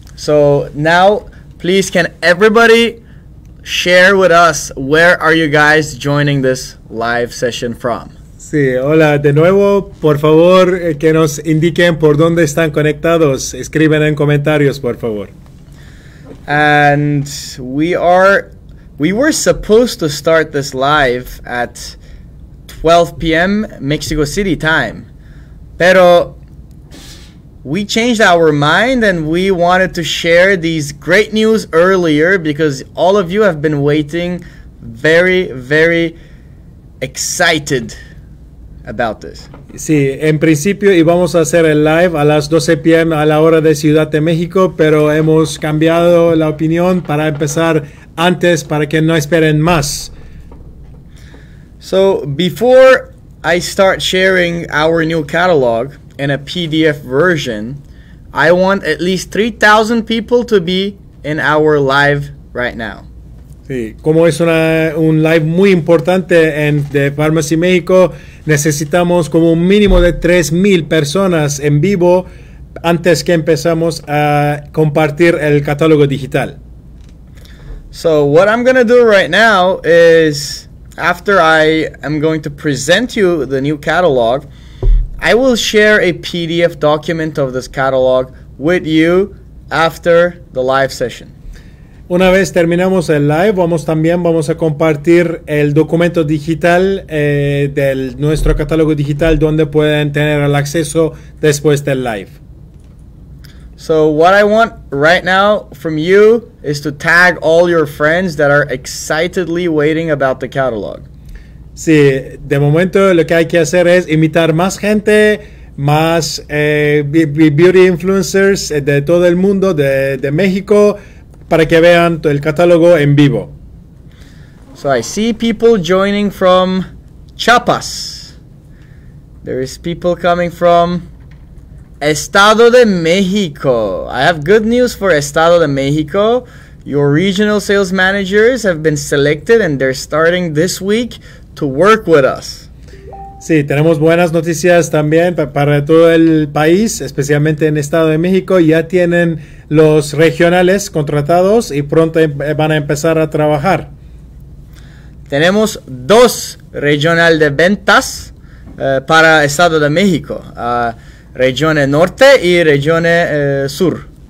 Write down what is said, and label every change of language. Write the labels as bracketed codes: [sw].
[en] So now, please, can everybody share with us where are you guys joining this live session from? [es] Sí, hola de nuevo. Por favor, que nos indiquen por dónde están conectados. Escriben en comentarios, por favor. [en] And we were supposed to start this live at 12 p.m. Mexico City time, pero we changed our mind and we wanted to share these great news earlier because all of you have been waiting very, very excited about this. [es] Sí, en principio íbamos a hacer el live a las 12 p.m. a la hora de Ciudad de México, pero hemos cambiado la opinión para empezar antes para que no esperen más. [en] So, before I start sharing our new catalog in a PDF version, I want at least 3,000 people to be in our live right now. [es] Sí, como es un live muy importante en de Farmasi México, necesitamos como un mínimo de 3,000 personas en vivo antes que empezamos a compartir el catálogo digital. [en] So what I'm going to do right now is after I am going to present you the new catalog, I will share a PDF document of this catalog with you after the live session. [es] Una vez terminamos el live, vamos a compartir el documento digital de nuestro catálogo digital donde pueden tener el acceso después del live. [en] So what I want right now from you is to tag all your friends that are excitedly waiting about the catalog. [es] Sí, de momento lo que hay que hacer es invitar más gente, más beauty influencers de todo el mundo, de México, para que vean el catálogo en vivo. [en] So I see people joining from Chiapas. There is people coming from Estado de México. I have good news for Estado de México. Your regional sales managers have been selected and they're starting this week to work with us. [es] Sí, tenemos buenas noticias también para todo el país, especialmente en Estado de México. Ya tienen los regionales contratados y pronto van a empezar a trabajar. Tenemos dos regionales de ventas para Estado de México, Región Norte y Región Sur.